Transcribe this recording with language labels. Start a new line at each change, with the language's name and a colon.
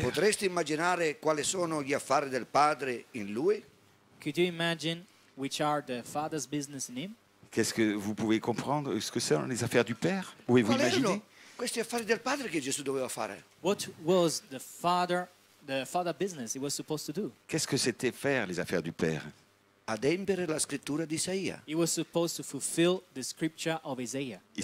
Italian: Potresti immaginare quali sono gli affari del padre in lui?
English: Could you imagine which are the father's business in him?
French: Qu'est-ce que vous pouvez comprendre ce que sont les affaires du père? Pouvez-vous imaginer?
Italian: Questi affari del padre che Gesù doveva fare?
English: What was the father business he was supposed to do?
French: Qu'est-ce que c'était faire les affaires du père?
Italian: Adempiere la scrittura di Isaia.
English: He was supposed to fulfill the scripture of Isaiah.